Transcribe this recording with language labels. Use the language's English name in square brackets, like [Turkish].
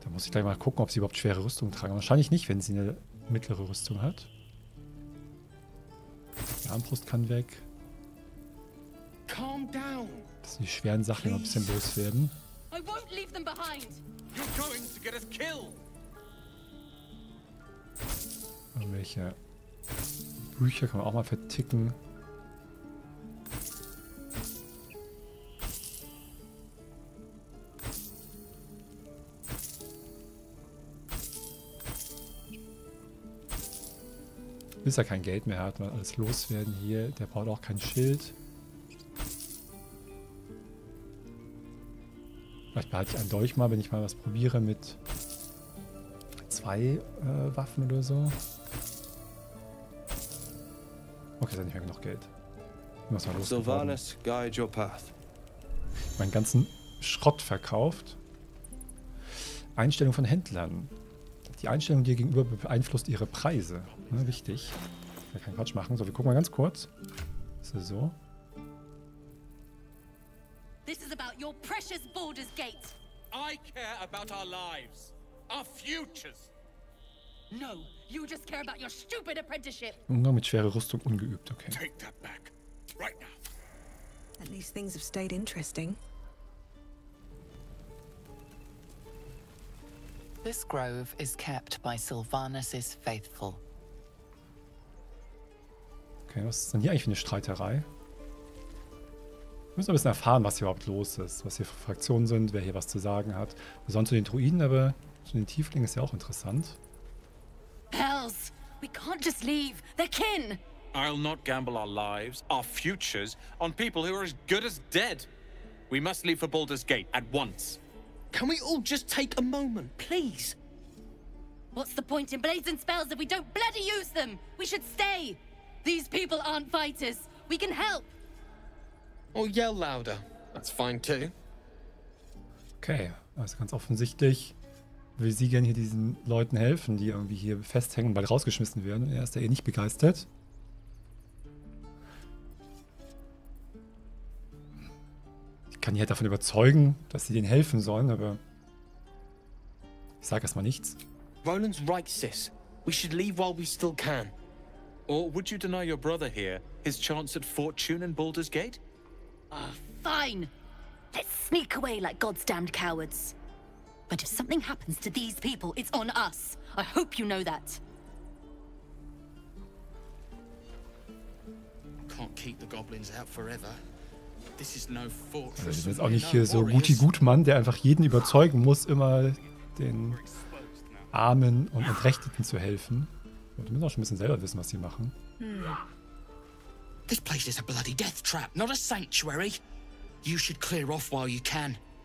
[German] Gleich mal gucken, ob sie überhaupt schwere Rüstung tragen. Wahrscheinlich nicht, wenn sie eine mittlere Rüstung hat. Die Armbrust kann weg. [English] Calm down. [German] Dass die schweren Sachen immer ein bisschen loswerden. [English] I won't leave them behind. You're going to get us killed. [German] Irgendwelche Bücher kann man auch mal verticken. Bis er kein Geld mehr hat, man alles loswerden hier. Der braucht auch kein Schild. Vielleicht behalte ich einen Dolch mal, wenn ich mal was probiere mit zwei Waffen oder so. Okay, dann habe ich noch Geld. Ich muss mal los. [English] Sylvanas, guide your path. [German] Meinen ganzen Schrott verkauft. Einstellung von Händlern. Die Einstellung dir gegenüber beeinflusst ihre Preise. Ne, wichtig. Ich will keinen Quatsch machen. So, wir gucken mal ganz kurz. Ist das so? [English] This is about your precious Baldur's Gate. I care about our lives. Our futures. No, you just care about your stupid apprenticeship. [German] Umgang mit schwerer Rüstung ungeübt, okay. [English] Take that back. Right now. At least things have stayed interesting. This grove is kept by Sylvanas' faithful. [German] Okay, was ist denn hier eigentlich für eine Streiterei? Wir müssen ein bisschen erfahren, was hier überhaupt los ist, was hier für Fraktionen sind, wer hier was zu sagen hat. Besonders zu den Druiden, aber zu den Tieflingen ist ja auch interessant. [English] Bells, we can't just leave. They're kin. I'll not gamble our lives, our futures, on people who are as good as dead. We must leave for Baldur's Gate at once. Can we all just take a moment, please? What's the point in blazing spells if we don't bloody use them? We should stay. These people aren't fighters. We can help. Or yell louder. That's fine too. [German] Okay, also ganz offensichtlich will sie gerne hier diesen Leuten helfen, die irgendwie hier festhängen und bald rausgeschmissen werden. Er ist ja eh nicht begeistert. kann ihn halt davon überzeugen, dass sie denen helfen sollen, aber ich sag erstmal nichts. [English] Roland's right, sis. We should leave while we still can. Or would you deny your brother here his chance at fortune in Baldur's Gate? Fine. Let's sneak away like God's damned cowards. But if something happens to these people, it's on us. I hope you know that. Can't keep the goblins out forever. This is no fortress. [German] Also, ich bin jetzt auch nicht hier so Guti Gutmann, der einfach jeden überzeugen muss, immer den Armen und Entrechteten zu helfen. Und wir müssen auch schon ein bisschen selber wissen, was sie machen. [English] This place is a bloody death trap, not a sanctuary. You should clear off while you can.